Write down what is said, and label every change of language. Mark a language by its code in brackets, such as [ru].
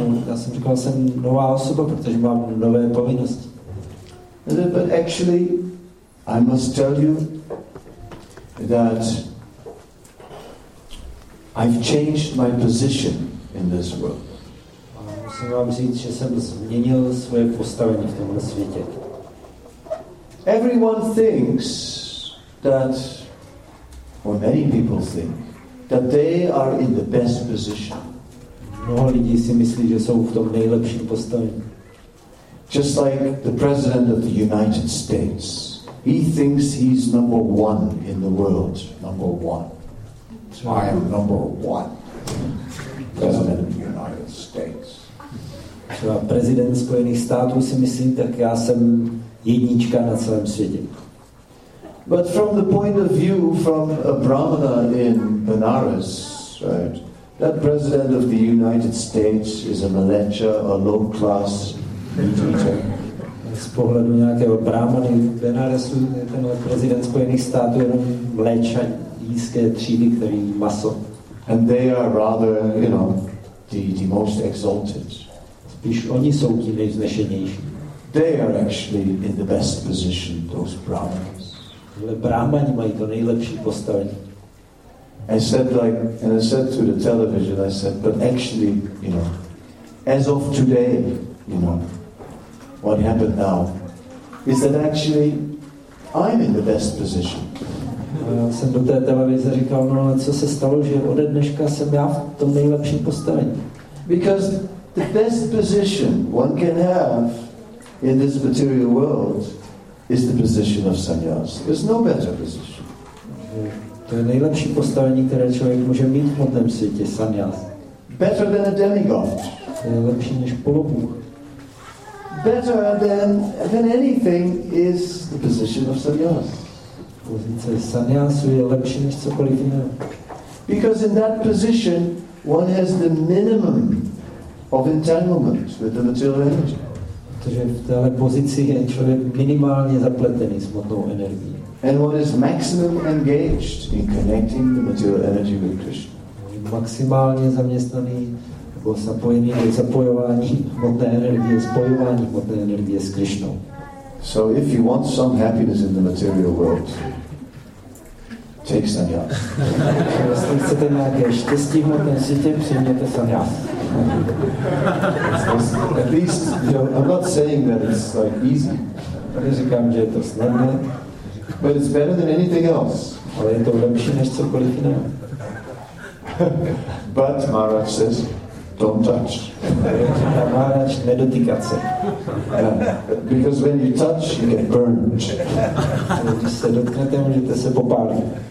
[cs] No, já jsem říkal, že jsem nová osoba, protože mám nové povinnosti. [en] But actually, I must tell you that I've changed my position in this world. [cs] Musím vám říct, že jsem změnil svoje postavení v tomhle světě. [en] Everyone thinks that, or many people think, that they are in the best position. [cs] Mnoho lidí si myslí, že jsou v tom nejlepším postavení. [en] Just like the president of the United States. He thinks he's number one in the world. Number one. I am number one. President of the United States. [cs] Třeba prezident Spojených států si myslí, tak já jsem jednička na celém světě. [en] But from the point of view from a Brahmana in Benares, right, that president of the United States is a malecha, a low class meat eater. [cs] Z pohledu nějakého Brahmany v Benaresu je ten prezident Spojených států jenom mléča nízké třídy, který maso. [en] And they are rather, you know, the most exalted. [cs] Spíš oni jsou ti nejvznešenější. [en] They are actually in the best position, those Brahmanas. [cs] Brahmani mají to nejlepší postavení. [en] I said to the television, I said, but actually, you know, as of today, you know, what happened now is that actually I'm in the best position. [cs] Jsem do té televize říkal, no ale co se stalo, že ode dneška jsem já v tom nejlepším postavení. [en] Because the best position one can have in this material world is the position of sannyas. There's no better position. [cs] To je nejlepší postavení, které člověk může mít v tom světě, sannyas. [en] Better than a demigod. [cs] To je lepší než polobůh. [en] Better than anything is the position of sannyas. [cs] Pozice sannyasu je lepší než cokoliv jiného. [en] Because in that position one has the minimum of entanglement with the material energy. [cs] Protože v téhle pozici je člověk minimálně zapletený s hmotnou energií. [en] And one is maximum engaged in connecting the material energy with Krishna. [cs] Maximálně zaměstnaný nebo zapojený do zapojování hmotné energie, spojování hmotné energie s Krishnou. [en] So if you want some happiness in the material world, take sannyas. [cs] Jestli chcete nějaké štěstí v hmotném světě, přijměte sannyas. [en] At least, you know, I'm not saying that it's like easy. [cs] Říkám, že je to snadné. [en] But it's better than anything else. [cs] Ale je to lepší než cokoliv jiného. [en] But Maharaj says, don't touch. [cs] Maharaj, nedotýkat se. [en] Because when you touch, you get burned. [cs] Když se dotknete, můžete se popálit.